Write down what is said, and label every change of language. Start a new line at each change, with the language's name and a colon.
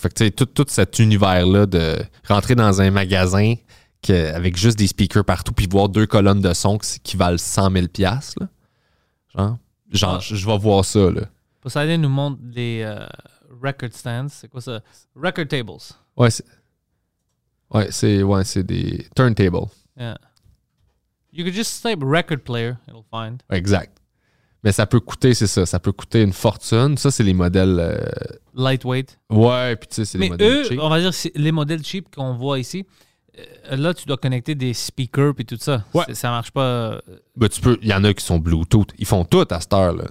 French: Fait que tu sais, tout cet univers-là de rentrer dans un magasin avec juste des speakers partout puis voir deux colonnes de son qui valent 100 000$, là. Genre, je vais voir ça, là. Poseidon nous montre des
English: record stands.
French: C'est quoi ça?
English: Record tables.
French: Ouais, c'est des turntables.
English: Yeah. You could just type record player, it'll find.
French: Exact. Mais ça peut coûter, c'est ça. Ça peut coûter une fortune. Ça, c'est les modèles...
English: Lightweight.
French: Ouais, puis tu sais, c'est mais les modèles eux,
English: cheap.
French: On va dire, c'est les modèles cheap qu'on voit ici... Là, tu dois connecter des speakers et tout ça. Ouais. Ça marche pas. Mais tu peux. Il y en a qui sont Bluetooth. Ils font tout à cette heure-là.